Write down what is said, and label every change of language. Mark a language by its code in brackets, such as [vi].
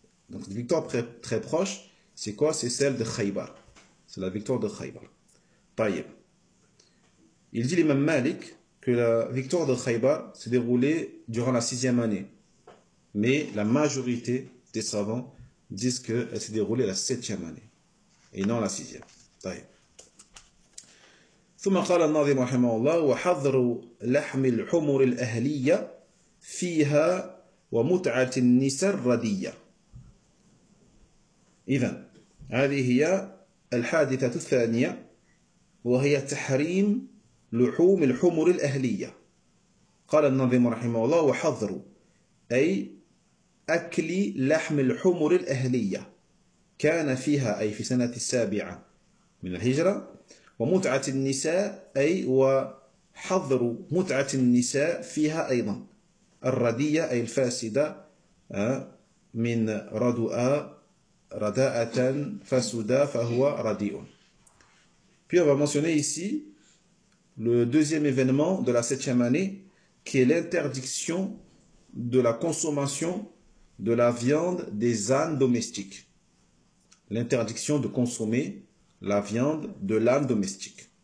[fr] Donc une victoire très proche, c'est quoi? C'est celle de Khaybar. C'est la victoire de Khaybar. Tayyib. Il dit l'imam Malik que la victoire de Khaybar s'est déroulée durant la sixième année. Mais la majorité des savants disent qu'elle s'est déroulée la septième année et non la sixième. [ar] طيب. ثم قال الناظم رحمه الله وحظر لحم الحمر الأهلية فيها ومتعة النساء الردية. إذن هذه هي الحادثة الثانية وهي تحريم لحوم الحمر الأهلية. قال الناظم رحمه الله وحظر أي أكل لحم الحمر الأهلية كان فيها أي في سنة السابعة من الهجرة، ومتعة النساء أي وحظر متعة النساء فيها أيضا، الردية أي الفاسدة من ردوء رداءة فسودة فهو رديء. [fr] Puis on va mentionner ici le deuxième événement de la septième année qui est l'interdiction de la consommation de la viande des ânes domestiques. L'interdiction de consommer la viande de l'âne domestique.